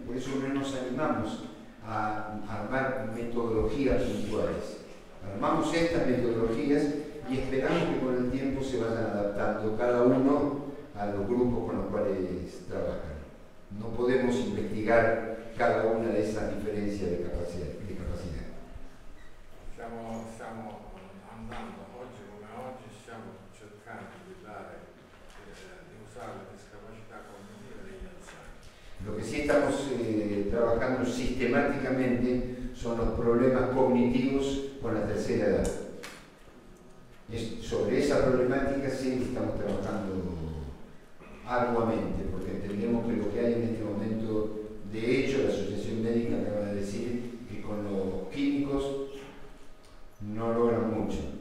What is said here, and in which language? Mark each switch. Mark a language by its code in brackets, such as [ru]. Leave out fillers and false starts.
[es] Por eso no nos animamos a armar metodologías puntuales. Armamos estas metodologías y esperamos que con el tiempo se vayan adaptando cada uno a los grupos con los cuales trabajan. No podemos investigar cada una de esas diferencias de capacidad. Estamos andando [it] oggi come oggi, stiamo cercando di dare di usare la discapacità cognitiva degli anziani. [es] Lo que sí estamos trabajando sistemáticamente son los problemas cognitivos con la tercera edad. Sobre esa problemática sí estamos trabajando arduamente, porque entendemos que lo que hay en este momento, de hecho, la Asociación Médica acaba de decir que con los químicos no logran mucho.